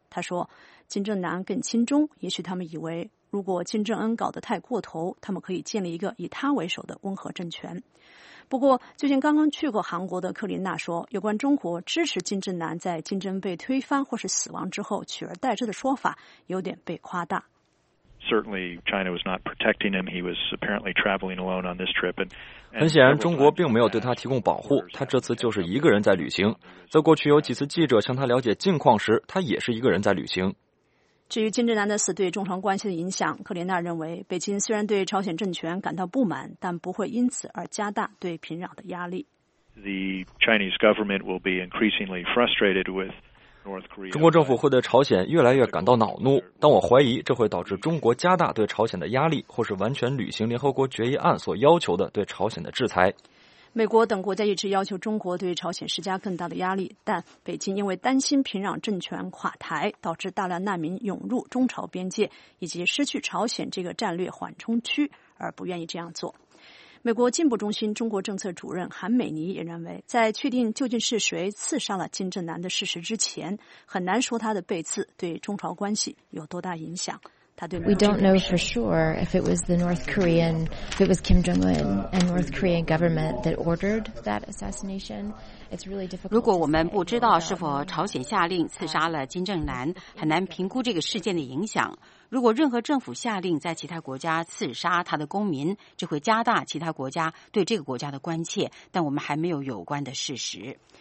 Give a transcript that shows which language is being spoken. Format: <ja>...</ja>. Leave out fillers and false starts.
<zh>他说，金正男更亲中，也许他们以为如果金正恩搞得太过头，他们可以建立一个以他为首的温和政权。不过，最近刚刚去过韩国的克林娜说，有关中国支持金正男在金正恩被推翻或是死亡之后取而代之的说法，有点被夸大。</zh> <en>Certainly, China was not protecting him. He was apparently traveling alone on this trip.</en> <zh>很显然，中国并没有对他提供保护。他这次就是一个人在旅行。在过去有几次记者向他了解近况时，他也是一个人在旅行。至于金正男的死对中朝关系的影响，克林娜认为，北京虽然对朝鲜政权感到不满，但不会因此而加大对平壤的压力。</zh> <en>The Chinese government will be increasingly frustrated with</en> <zh>中国政府会对朝鲜越来越感到恼怒，但我怀疑这会导致中国加大对朝鲜的压力，或是完全履行联合国决议案所要求的对朝鲜的制裁。美国等国家一直要求中国对朝鲜施加更大的压力，但北京因为担心平壤政权垮台，导致大量难民涌入中朝边界，以及失去朝鲜这个战略缓冲区，而不愿意这样做。美国进步中心中国政策主任韩美尼也认为，在确定究竟是谁刺杀了金正男的事实之前，很难说他的被刺对中朝关系有多大影响。</zh> <en>We don't know for sure if it was the North Korean, if it was Kim Jong-un and North Korean government that ordered that assassination. It's really difficult.</en> <zh>如果我们不知道是否朝鲜下令刺杀了金正男，很难评估这个事件的影响。如果任何政府下令在其他国家刺杀他的公民，这会加大其他国家对这个国家的关切，但我们还没有有关的事实。</zh>